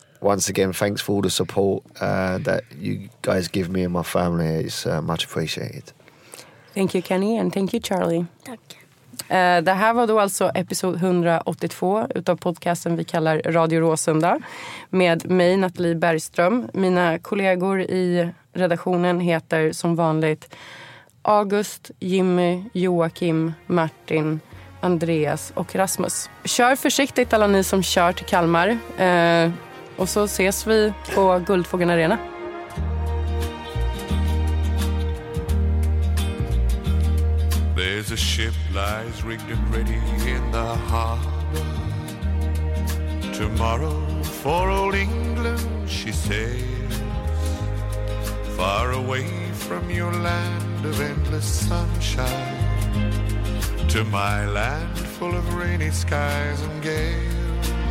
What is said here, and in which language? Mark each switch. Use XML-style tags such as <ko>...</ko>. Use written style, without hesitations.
<en>once again, thanks for all the support that you guys give me and my family. It's much appreciated. Thank you, Kenny, and thank you, Charlie.</en> <sv>Tack. Det här var då alltså episod 182 utav podcasten vi kallar Radio Råsunda med mig, Nathalie Bergström. Mina kollegor i redaktionen heter som vanligt August, Jimmy, Joakim, Martin, Andreas och Rasmus. Kör försiktigt alla ni som kör till Kalmar, och så ses vi på Guldfågeln Arena.</sv> <en>There's a ship lies rigged and ready in the harbor. Tomorrow for old England she sails. Far away from your land of endless sunshine, to my land full of rainy skies and gales.</en>